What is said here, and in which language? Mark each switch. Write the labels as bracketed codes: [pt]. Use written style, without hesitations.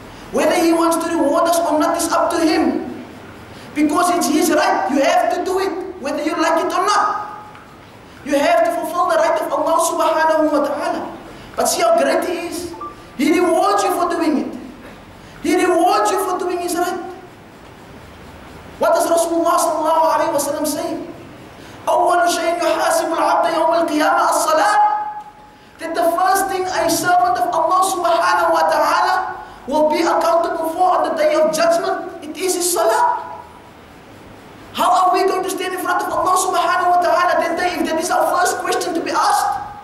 [en] Whether He wants to reward us or not is up to Him. Because it's His right, you have to do it, whether you like it or not. You have to fulfill the right of Allah subhanahu wa ta'ala. But see how great He is. He rewards you for doing it. He rewards you for doing His right. What does Rasulullah sallallahu alayhi wa sallam say? [ar] أول شيء يحاسب العبد يوم القيامة الصلاة. [en] That the first thing a servant of Allah subhanahu wa ta'ala will be accountable for on the day of judgment, it is his salah. How are we going to stand in front of Allah subhanahu wa ta'ala that day if that is our first question to be asked?